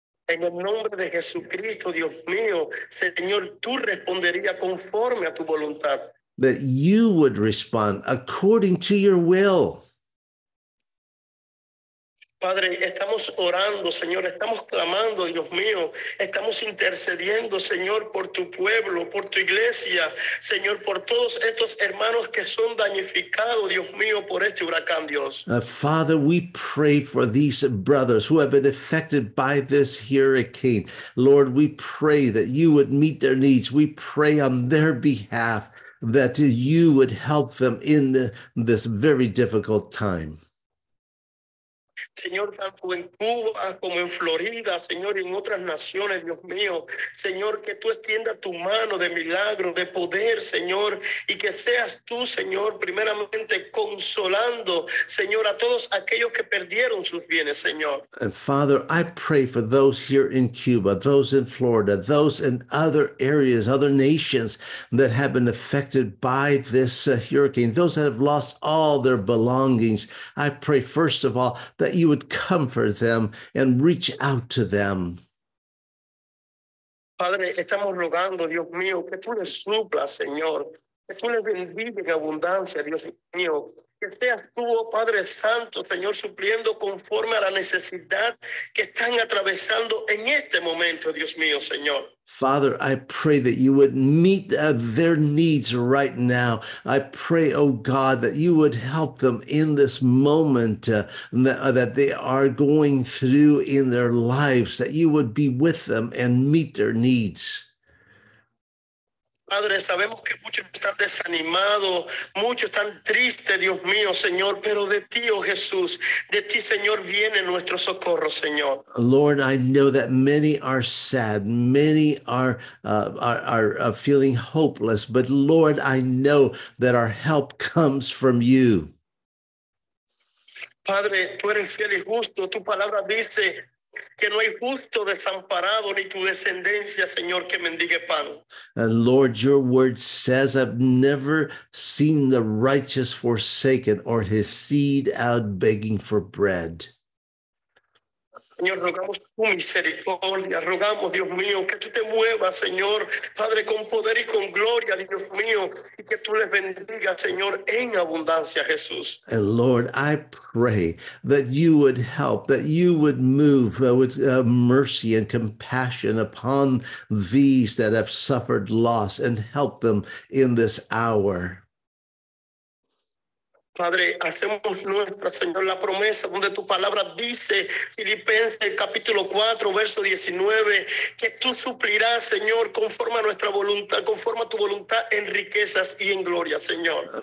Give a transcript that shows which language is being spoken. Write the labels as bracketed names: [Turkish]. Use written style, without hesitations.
[Spanish] En el nombre de Jesucristo, Dios mío, Señor, tú responderías conforme a tu voluntad. [English] That you would respond according to your will. [Spanish] Padre, estamos orando, Señor, estamos clamando, Dios mío, estamos intercediendo, Señor, por tu pueblo, por tu iglesia, Señor, por todos estos hermanos que son damnificados, Dios mío, por este huracán, Dios. [English] Father, we pray for these brothers who have been affected by this hurricane. Lord, we pray that you would meet their needs. We pray on their behalf that you would help them in this very difficult time. [Spanish] Señor, tanto en Cuba como en Florida, Señor, y en otras naciones, Dios mío, Señor, que tú extiendas tu mano de milagro, de poder, Señor, y que seas tú, Señor, primeramente consolando, Señor, a todos aquellos que perdieron sus bienes, Señor. [English] And Father, I pray for those here in Cuba, those in Florida, those in other areas, other nations that have been affected by this hurricane, those that have lost all their belongings. I pray, first of all, that you would comfort them and reach out to them. [Spanish] Padre, estamos rogando, Dios mío, que tú le suplas, Señor, que tú le bendiga en abundancia, Dios mío, que seas tú, oh Padre Santo, Señor, supliendo conforme a la necesidad que están atravesando en este momento, Dios mío, Señor. [English] Father, I pray that you would meet their needs right now. I pray, oh God, that you would help them in this moment that they are going through in their lives, that you would be with them and meet their needs. [Spanish] Padre, sabemos que muchos están desanimados, muchos están tristes, Dios mío, Señor, pero de ti, oh Jesús, de ti, Señor, viene nuestro socorro, Señor. [English] Lord, I know that many are sad, many are feeling hopeless, but Lord, I know that our help comes from you. [Spanish] Padre, tú eres fiel y justo, tu palabra dice que no hay justo desamparado ni tu descendencia, Señor, que mendigue pan. [English] And Lord, your word says, I've never seen the righteous forsaken or his seed out begging for bread. [Spanish] Señor, rogamos tu misericordia, rogamos, Dios mío, que tú te muevas, Señor, Padre, con poder y con gloria, Dios mío, y que tú les bendiga, Señor, en abundancia, Jesús. [English] And Lord, I pray that you would help, that you would move with mercy and compassion upon these that have suffered loss and help them in this hour. [Spanish] Padre, hacemos nuestra, Señor, la promesa donde tu palabra dice, Filipenses capítulo 4, verso 19, que tú suplirás, Señor, conforme a nuestra voluntad, conforme a tu voluntad, en riquezas y en gloria, Señor.